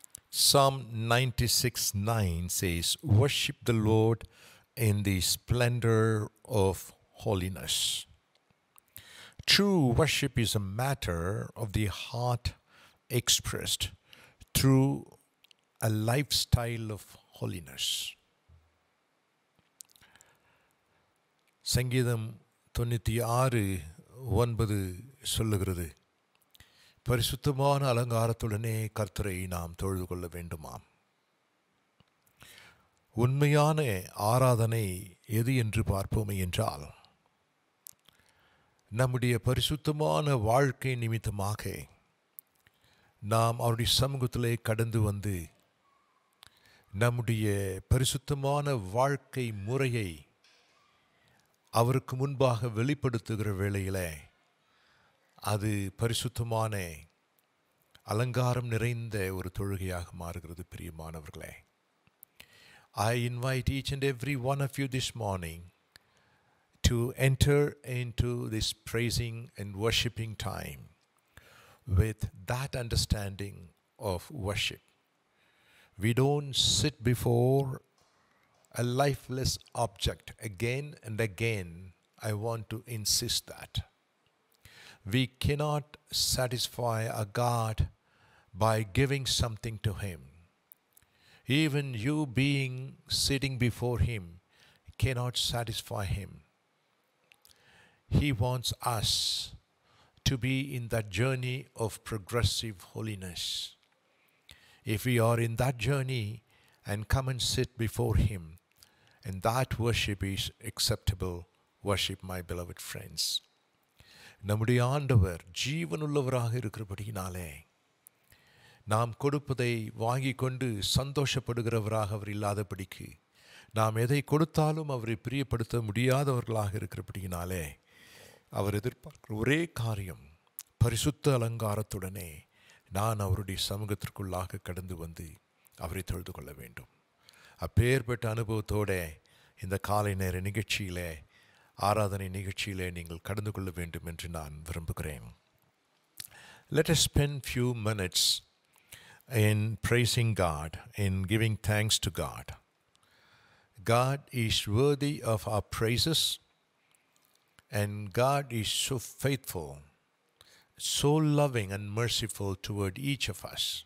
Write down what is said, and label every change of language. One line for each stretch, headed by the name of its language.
English: Psalm 96:9 says, worship the Lord in the splendor of holiness. True worship is a matter of the heart expressed through a lifestyle of holiness.
Tamil: Sangeetham 96:9 சொல்லுகிறது, பரிசுத்தமான அலங்காரத்துடனே கர்த்தரை நாம் தொழுது கொள்ள வேண்டுமாம். உண்மையான ஆராதனை எது என்று பார்ப்போமே என்றால், நம்முடைய பரிசுத்தமான வாழ்க்கை நிமித்தமாக நாம் அவருடைய சமூகத்திலே கடந்து வந்து நம்முடைய பரிசுத்தமான வாழ்க்கை முறையை அவருக்கு முன்பாக வெளிப்படுத்துகிற வேளையில் அது பரிசுத்தமான அலங்காரம் நிறைந்த ஒரு தொழுகையாக மாறுகிறது. பிரியமானவர்களே,
English: I invite each and every one of you this morning to enter into this praising and worshiping time with that understanding of worship. We don't sit before a lifeless object. Again and again, I want to insist that we cannot satisfy a God by giving something to Him. Even you being sitting before Him cannot satisfy Him. He wants us to be in that journey of progressive holiness. If we are in that journey and come and sit before Him, and that worship is acceptable worship, my beloved friends.
Tamil: நம்முடைய ஆண்டவர் ஜீவனுள்ளவராக இருக்கிறபடியினாலே நாம் கொடுப்பதை வாங்கி கொண்டு சந்தோஷப்படுகிறவராக அவர் இல்லாதபடிக்கு, நாம் எதை கொடுத்தாலும் அவரை பிரியப்படுத்த முடியாதவர்களாக இருக்கிறபடியினாலே அவர் எதிர்பார்க்கிற ஒரே காரியம், பரிசுத்த அலங்காரத்துடனே நான் அவருடைய சமூகத்திற்குள்ளாக கடந்து வந்து அவரை தொழுது கொள்ள வேண்டும். அப்பேற்பட்ட அனுபவத்தோடு இந்த காலை நேர நிகழ்ச்சியிலே, ஆராதனை நிகழ்ச்சியிலே நீங்கள் கடந்து கொள்ள வேண்டும் என்று நான் விரும்புகிறேன்.
English: Let us spend few minutes in praising God, in giving thanks to God. God is worthy of our praises and God is so faithful, so loving and merciful toward each of us.